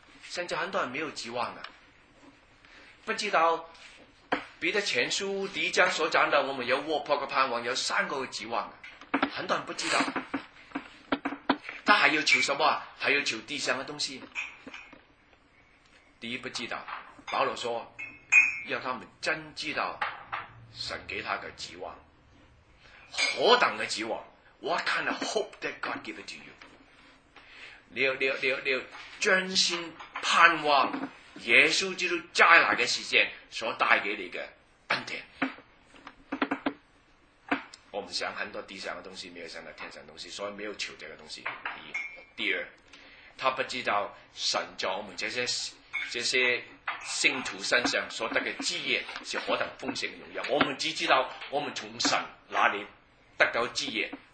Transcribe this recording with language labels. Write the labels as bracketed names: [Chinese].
[Chinese] 甚至很多人没有指望的，不知道彼得前书第一章所讲的，我们有卧铺的盼望，有三个指望的，很多人不知道。他还要求什么？还要求地上的东西。第一不知道，保罗说要他们真知道神给他的指望，何等的指望。 [English] What kind of hope that God give it to you? [Chinese] 你要专心盼望耶稣基督再来的时间所带给你的恩典。我们想很多地上的东西，没有想到天上的东西，所以没有求这个东西。第二，他不知道神在我们这些信徒身上所得的基业是何等丰盛的荣耀。我们只知道我们从神哪里得到基业。